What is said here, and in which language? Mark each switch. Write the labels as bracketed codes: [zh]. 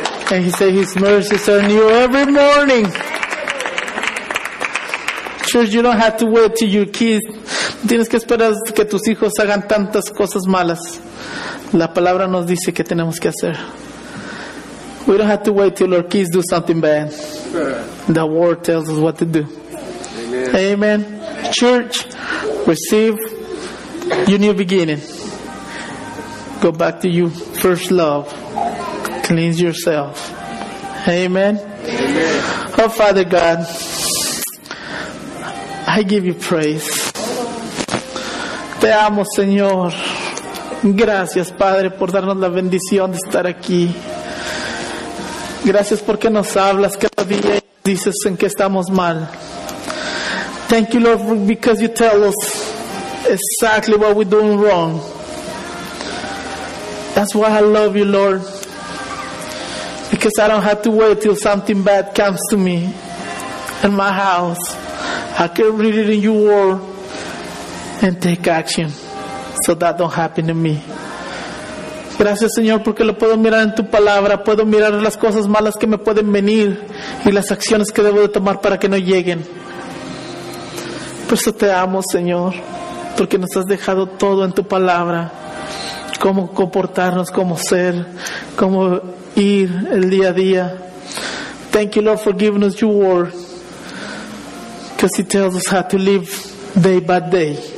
[en] And he said his mercies are new every morning. Church, you don't have to wait till your kids. [es] Tienes que esperar que tus hijos hagan tantas cosas malas. La palabra nos dice que tenemos que hacer. [en] We don't have to wait till our kids do something bad. The word tells us what to do. Amen. Amen. Church, receive your new beginning. Go back to your first love. Cleanse yourself. Amen. Amen. Oh, Father God, I give you praise. [es] Te amo, Señor. Gracias, Padre, por darnos la bendición de estar aquí. Gracias porque nos hablas cada día y dices en qué estamos mal. [en] Thank you, Lord, because you tell us exactly what we're doing wrong. That's why I love you, Lord. Because I don't have to wait till something bad comes to me in my house. I can read it in your word and take action so that don't happen to me. [es] Gracias, Señor, porque lo puedo mirar en tu palabra. Puedo mirar las cosas malas que me pueden venir y las acciones que debo de tomar para que no lleguen. Por eso te amo, Señor, porque nos has dejado todo en tu palabra. Cómo comportarnos, cómo ser, cómo ir el día a día. [en] Thank you, Lord, for giving us your word. Because it tells us how to live day by day.